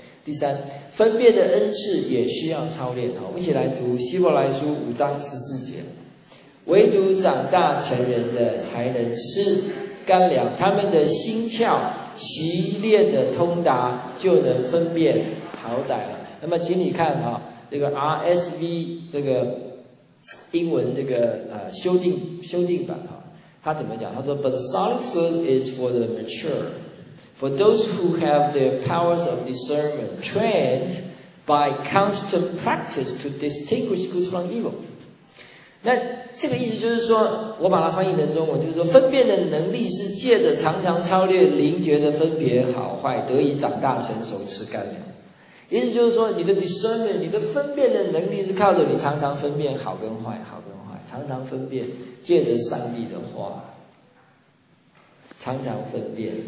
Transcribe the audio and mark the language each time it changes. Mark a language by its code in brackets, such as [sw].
[zh] 第三，分辨的恩赐也需要操练。我们一起来读希伯来书五章十四节，唯独长大成人的才能吃干粮，他们的心窍习练的通达，就能分辨好歹了。那么请你看哈，这个 RSV 这个英文这个修订版哈，他怎么讲，他说 [en] But solid food is for the mature, for those who have the powers of discernment trained by constant practice to distinguish good from evil。 [zh] 那这个意思就是说，我把它翻译成中文，就是说分辨的能力是借着常常操练灵觉的分别好坏，得以长大成熟吃干粮。意思就是说，你的 discernment， 你的分辨的能力是靠着你常常分辨好跟坏，好跟坏，常常分辨，借着上帝的话，常常分辨。